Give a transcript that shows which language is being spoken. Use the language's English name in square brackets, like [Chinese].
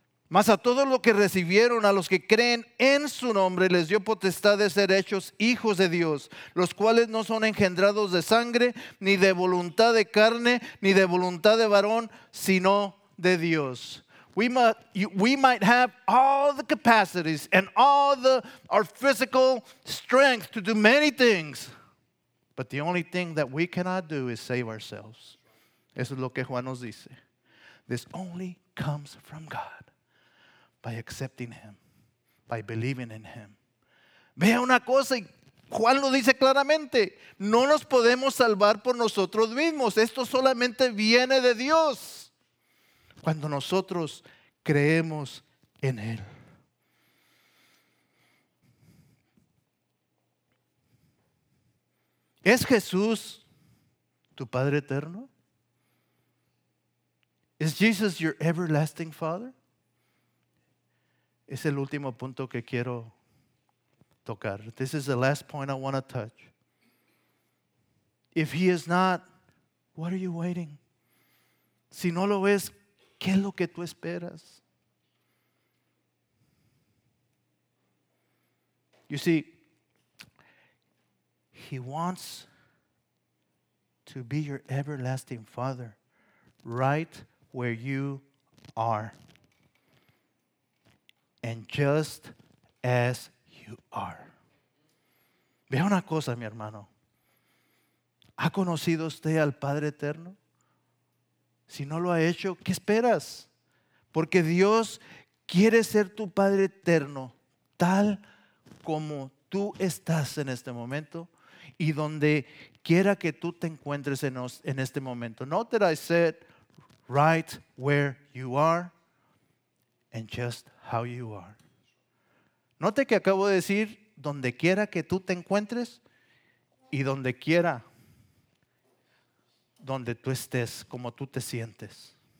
[Spanish] Mas a todo lo que recibieron, a los que creen en su nombre, les dio potestad de ser hechos hijos de Dios, los cuales no son engendrados de sangre, ni de voluntad de carne, ni de voluntad de varón, sino de Dios. [English] We might have all the capacities and all our physical strength to do many things, but the only thing that we cannot do is save ourselves. [Spanish] Eso es lo que Juan nos dice. [English] This only comes from God. By accepting Him, by believing in Him. [Spanish] Vea una cosa, y Juan lo dice claramente, no nos podemos salvar por nosotros mismos, esto solamente viene de Dios, cuando nosotros creemos en Él. ¿Es Jesús tu Padre Eterno? ¿Es Jesús tu [English] Everlasting Father? [Spanish] Es el último punto que quiero tocar. [English] This is the last point I want to touch. If He is not, what are you waiting? [Spanish] Si no lo es, ¿qué es lo que tú esperas? [English] You see, He wants to be your everlasting Father right where you are. And just as you are. [Spanish] Vea una cosa, mi hermano. ¿Ha conocido usted al Padre Eterno? Si no lo ha hecho, ¿qué esperas? Porque Dios quiere ser tu Padre Eterno tal como tú estás en este momento y donde quiera que tú te encuentres en este momento. [English] Note that I said right where you are. And just how you are. [Spanish] Note que acabo de decir donde quiera que tú te encuentres y donde quiera donde tú estés, como tú te sientes.